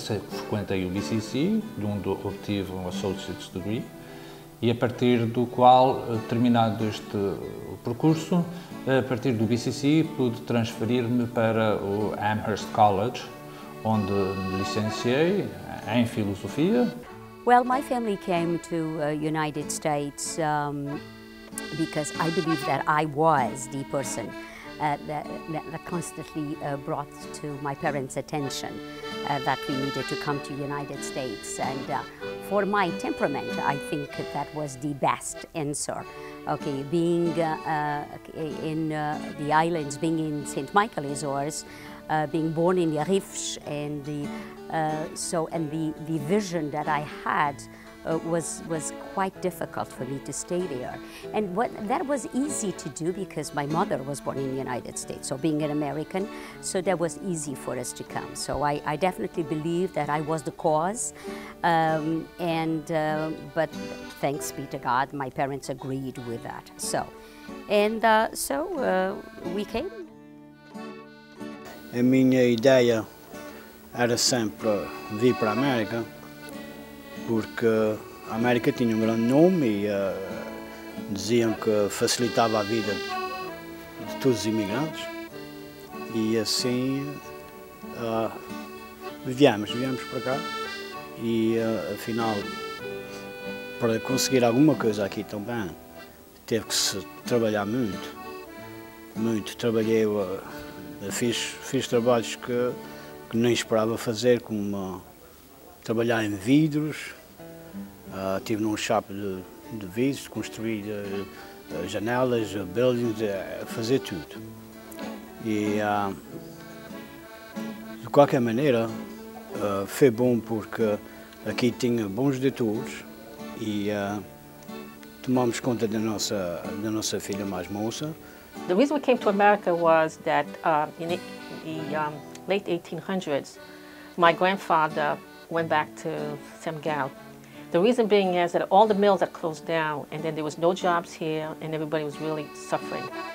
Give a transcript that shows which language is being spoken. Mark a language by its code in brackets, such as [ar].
[pt] Frequentei o BCC, onde obtive um Associate's Degree, e a partir do qual, terminado este percurso, a partir do BCC pude transferir-me para o Amherst College, onde me licenciei em Filosofia. [en] Well, my family came to the United States because I believe that I was the person that constantly brought to my parents' attention that we needed to come to the United States. And for my temperament, I think that was the best answer. Okay, being in the islands, being in St. Michael Azores, being born in Yarifsh, and the vision that I had was quite difficult for me to stay there. And what that was easy to do because my mother was born in the United States, so being an American, so that was easy for us to come. So I definitely believe that I was the cause. But thanks be to God, my parents agreed with that. We came. [pt] A minha ideia era sempre vir para a América, porque a América tinha grande nome e diziam que facilitava a vida de todos os imigrantes. E assim viemos para cá. E afinal, para conseguir alguma coisa aqui também, teve que se trabalhar muito. Muito. Trabalhei, fiz trabalhos que nem esperava fazer, como trabalhar em vidros. Estive num shop de vidros, construir janelas, buildings, fazer tudo. E, de qualquer maneira, foi bom porque aqui tinha bons detores e tomamos conta da nossa filha mais moça. [en] The reason we came to America was that in the late 1800s, my grandfather went back to Samgal. The reason being is that all the mills had closed down, and then there was no jobs here, and everybody was really suffering.